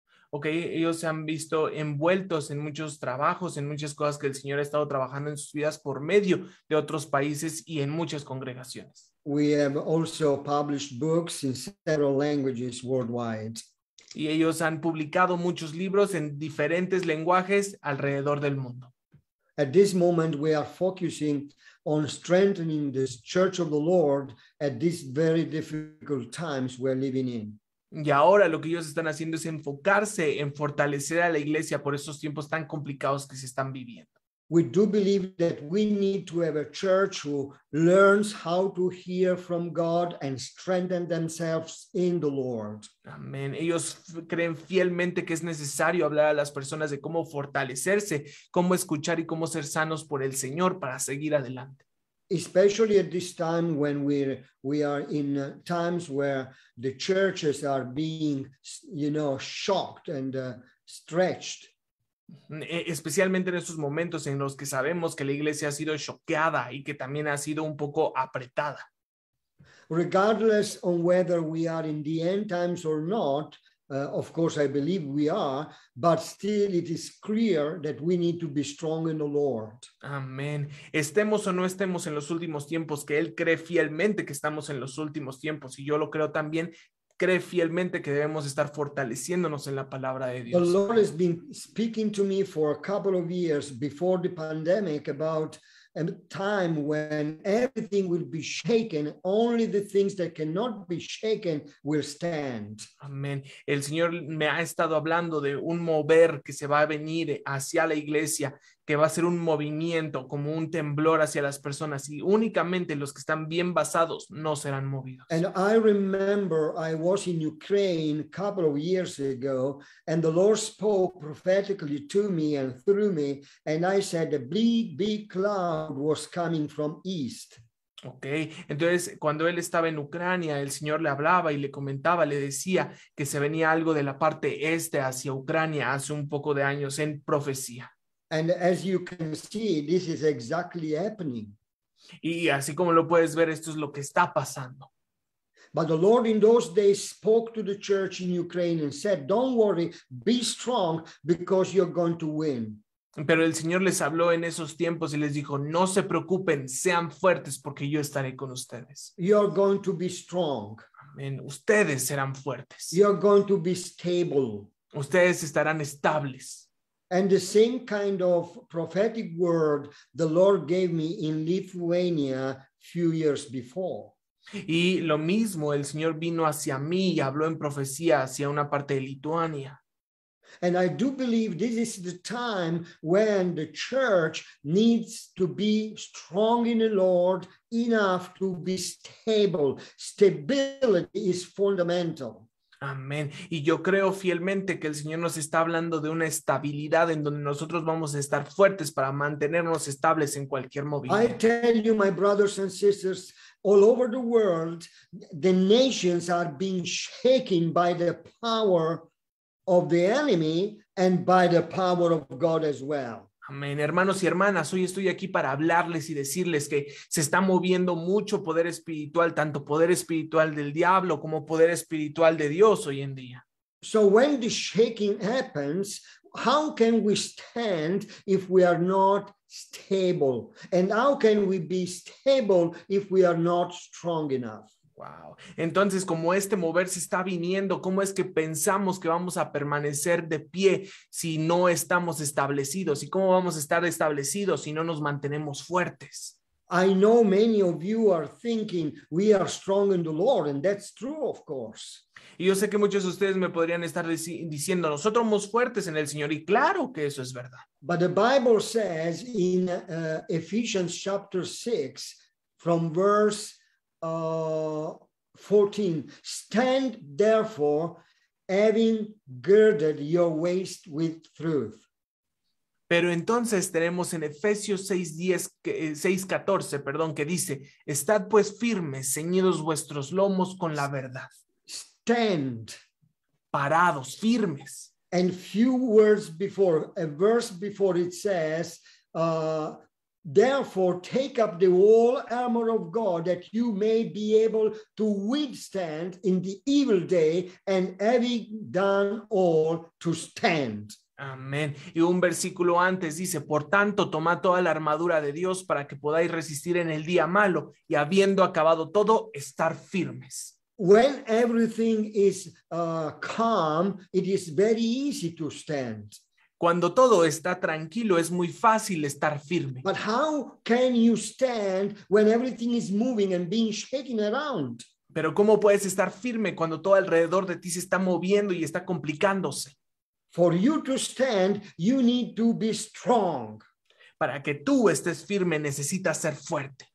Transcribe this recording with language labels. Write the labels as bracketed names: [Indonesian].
[Spanish] Okay, ellos se han visto envueltos en muchos trabajos, en muchas cosas que el Señor ha estado trabajando en sus vidas por medio de otros países y en muchas congregaciones. [English] We have also published books in several languages worldwide. [Spanish] Y ellos han publicado muchos libros en diferentes lenguajes alrededor del mundo. [English] At this moment, we are focusing on strengthening the Church of the Lord at these very difficult times we're living in. [Spanish] Y ahora lo que ellos están haciendo es enfocarse en fortalecer a la iglesia por esos tiempos tan complicados que se están viviendo. [English] We do believe that we need to have a church who learns how to hear from God and strengthen themselves in the Lord. [Spanish] Amén. Ellos creen fielmente que es necesario hablar a las personas de cómo fortalecerse, cómo escuchar y cómo ser sanos por el Señor para seguir adelante. [English] Especially at this time when we are in times where the churches are being, you know, shocked and stretched. [Spanish] Especialmente en estos momentos en los que sabemos que la iglesia ha sido choqueada y que también ha sido un poco apretada. [English] Regardless on whether we are in the end times or not, of course, I believe we are, but still it is clear that we need to be strong in the Lord. [Spanish] Amén. Estemos o no estemos en los últimos tiempos, que él cree fielmente que estamos en los últimos tiempos, y yo lo creo también, cree fielmente que debemos estar fortaleciéndonos en la palabra de Dios. [English] The Lord has been speaking to me for a couple of years before the pandemic about a time when everything will be shaken, only the things that cannot be shaken will stand. [Spanish] Amén. El Señor me ha estado hablando de un mover que se va a venir hacia la iglesia, que va a ser un movimiento como un temblor hacia las personas, y únicamente los que están bien basados no serán movidos. [English] And I remember I was in Ukraine a couple of years ago, and the Lord spoke prophetically to me and through me, and I said a big, big cloud was coming from east. [Spanish] Okay, entonces cuando él estaba en Ucrania, el Señor le hablaba y le comentaba, le decía que se venía algo de la parte este hacia Ucrania hace un poco de años en profecía. [English] And as you can see, this is exactly happening. [Spanish] Y así como lo puedes ver, esto es lo que está pasando. [English] But the Lord in those days spoke to the church in Ukraine and said, "Don't worry, be strong because you're going to win." [Spanish] Pero el Señor les habló en esos tiempos y les dijo, "No se preocupen, sean fuertes porque yo estaré con ustedes." [English] You're going to be strong. [Spanish] Amen. Ustedes serán fuertes. [English] You're going to be stable. [Spanish] Ustedes estarán estables. [English] And the same kind of prophetic word the Lord gave me in Lithuania a few years before. [Spanish] Y lo mismo, el Señor vino hacia mí y habló en profecía hacia una parte de Lituania. [English] And I do believe this is the time when the church needs to be strong in the Lord enough to be stable. Stability is fundamental. [Spanish] Amén. Y yo creo fielmente que el Señor nos está hablando de una estabilidad en donde nosotros vamos a estar fuertes para mantenernos estables en cualquier movimiento. [English] I tell you, my brothers and sisters, all over the world, the nations are being shaken by the power of the enemy and by the power of God as well. [Spanish] Amén. Hermanos y hermanas, hoy estoy aquí para hablarles y decirles que se está moviendo mucho poder espiritual, tanto poder espiritual del diablo como poder espiritual de Dios hoy en día. [English] So when the shaking happens, how can we stand if we are not stable? And how can we be stable if we are not strong enough? Wow. [Spanish] Entonces, como este mover se está viniendo, ¿cómo es que pensamos que vamos a permanecer de pie si no estamos establecidos? ¿Y cómo vamos a estar establecidos si no nos mantenemos fuertes? [English] I know many of you are thinking we are strong in the Lord, and that's true, of course. [Spanish] Y yo sé que muchos de ustedes me podrían estar diciendo, nosotros somos fuertes en el Señor, y claro que eso es verdad. [English] But the Bible says in Ephesians chapter 6, from verse 14, stand therefore, having girded your waist with truth. [Spanish] Pero entonces tenemos en Efesios 6:14, que dice, estad pues firmes, ceñidos vuestros lomos con la verdad. [English] Stand. [Spanish] Parados, firmes. [English] And few words before, a verse before it says, therefore, take up the whole armor of God that you may be able to withstand in the evil day, and having done all, to stand. [Spanish] Amén. Y un versículo antes dice, por tanto, tomad toda la armadura de Dios para que podáis resistir en el día malo, y habiendo acabado todo, estar firmes. [English] When everything is calm, it is very easy to stand. [Spanish] Cuando todo está tranquilo, es muy fácil estar firme. [English] But how can you stand when everything is moving and being shaken around? [Spanish] Pero ¿cómo puedes estar firme cuando todo alrededor de ti se está moviendo y está complicándose? [English] For you to stand, you need to be strong. [Spanish] Para que tú estés firme, necesitas ser fuerte.